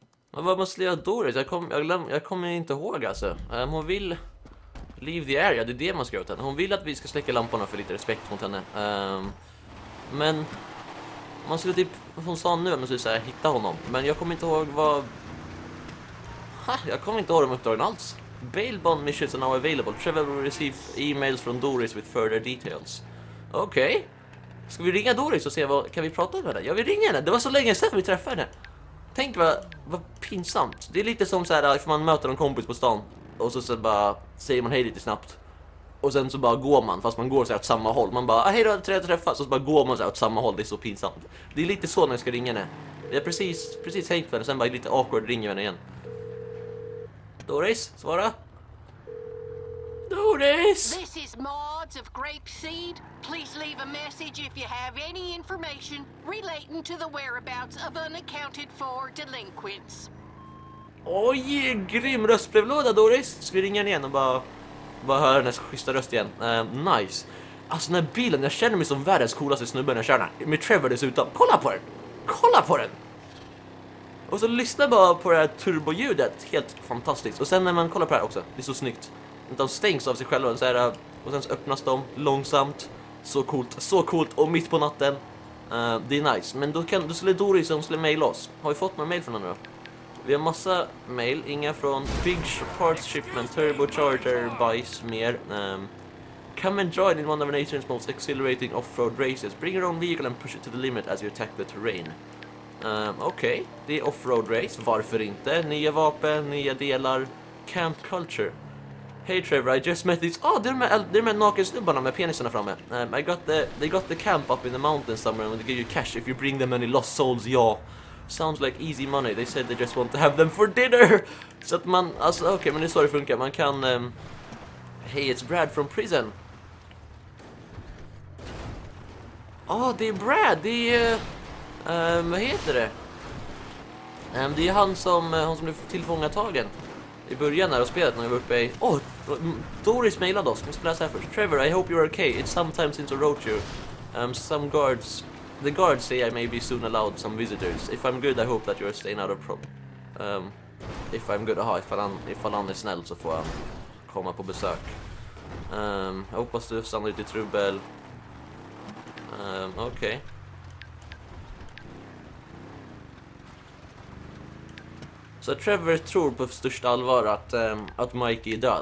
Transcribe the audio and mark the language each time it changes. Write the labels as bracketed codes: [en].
[sv] Vad måste jag göra, Doris? Jag kommer inte ihåg, alltså. Hon vill [en] leave the area, [sv] det är det man ska göra åt henne. Hon vill att vi ska släcka lamporna för lite respekt mot henne. Men man skulle typ, hon sa nu, man skulle säga hitta honom. Men jag kommer inte ihåg vad... jag kommer inte ihåg de uppdragen alls. [en] Bail bond missions are now available. Trevor will receive emails from Doris with further details. [sv] Okej. [en] Okay. [sv] Ska vi ringa Doris och se vad, kan vi prata med henne? Jag vill ringa henne, det var så länge sedan vi träffade henne. Tänk vad pinsamt. Det är lite som så här, för man möter en kompis på stan. Och så bara säger man hej lite snabbt. Och sen så bara går man, fast man går så här åt samma håll. Man bara, ah, hej då, trevligt att träffas. Och så bara går man så här åt samma håll, det är så pinsamt. Det är lite så när jag ska ringa henne. Jag är precis hängt för henne, sen bara lite awkward ringer henne igen. Doris, svara. Doris! [en] This is Mods of Grape Seed. Please leave a message if you have any information relating to the whereabouts of unaccounted for delinquents. [sv] Oj, grym röstbrevlåda, Doris. Ska vi ringa henne igen och bara... Bara hör hennes schyssta röst igen. Nice. Alltså den här bilen, jag känner mig som världens coolaste snubbe när jag kör den. Med Trevor dessutom. Kolla på den! Kolla på den! Och så lyssna bara på det här turboljudet. Helt fantastiskt. Och sen när man kollar på det här också. Det är så snyggt. De stängs av sig själva så här, och sen så öppnas de långsamt. Så coolt. Och mitt på natten. Det är nice. Men då skulle Doris som skulle mejla oss. Har vi fått några mejl från henne då? Vi har massa mail, inga från Big Parts Shipment, Turbocharger, Vice, mer. [en] Come and join in one of nature's most exhilarating off-road races. Bring your own vehicle and push it to the limit as you attack the terrain. [sv] Okej, okay. Det är off-road race, varför inte? Nya vapen, nya delar, camp culture. [en] Hey Trevor, I just met these... [sv] Ah, oh, det är de här nakensnubbarna med penisarna framme. [en] They got the camp up in the mountains somewhere and they give you cash if you bring them any lost souls, ja. Sounds like easy money, they said they just want to have them for dinner! [sv] Så att man, alltså okej, okay, men det är så det funkar, man kan... [en] Hey, it's Brad from prison! [sv] Åh, det är Brad, det är... vad heter det? Det är han som blev tillfångatagen. I början när jag spelat, när jag var uppe i... Åh, Doris mailade oss, vi ska läsa här först. [en] Trevor, I hope you're okay, it's some time since I wrote you. Some guards... The guards say I may be soon allowed some visitors. If I'm good, I hope that you're staying out of problem. If I'm good, [sv] aha, ifall han är snäll så får han komma på besök. Jag hoppas du stannar lite i trubbel. Okej. [en] Okay. [sv] Så Trevor tror på största allvar att Mikey är död.